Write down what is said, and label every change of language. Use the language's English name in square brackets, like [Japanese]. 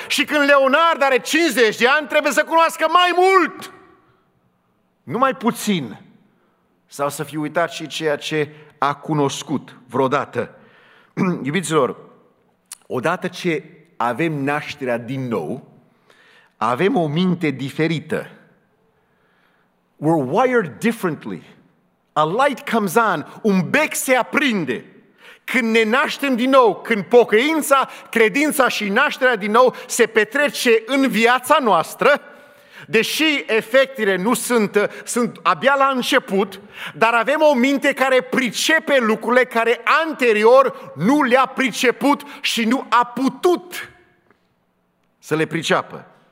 [Romanian] Și când Leonard are 50 de ani, trebuie să cunoască mai mult, nu mai puțin. Sau să fie uitat și ceea ce a cunoscut vreodată. Iubiților, odată ce avem nașterea din nou, Avem o minte diferită. [English] We're wired differently. A light comes on, [Romanian] un bec se aprinde. Când ne naștem din nou, când pocăința, credința și nașterea din nou se petrece în viața noastră, deși efectele nu sunt, sunt abia la început, dar avem o minte care pricepe lucrurile care anterior nu le-a priceput și nu a putut să le priceapă.